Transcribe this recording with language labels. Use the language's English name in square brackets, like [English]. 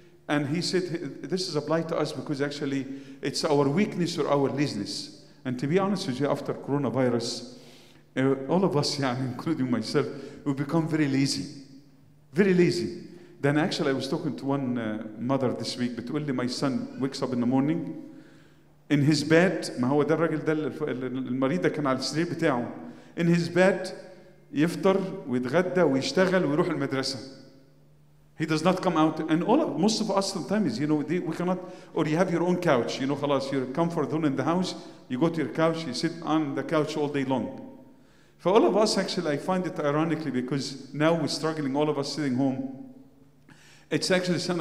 [English] And he said, this is applied to us because actually it's our weakness or our laziness. And to be honest with you, after coronavirus, all of us, including myself, we become very lazy. Very lazy. Then actually I was talking to one mother this week, but only my son wakes up in the morning in his bed. In his bed, [Arabic] يفطر ويتغدى ويشتغل ويروح المدرسة. [English] He does not come out. And most of us sometimes, we cannot, or you have your own couch. خلاص, you're comfort zone in the house. You go to your couch, you sit on the couch all day long. For all of us, actually, I find it ironically because now we're struggling, all of us sitting home. It's actually St.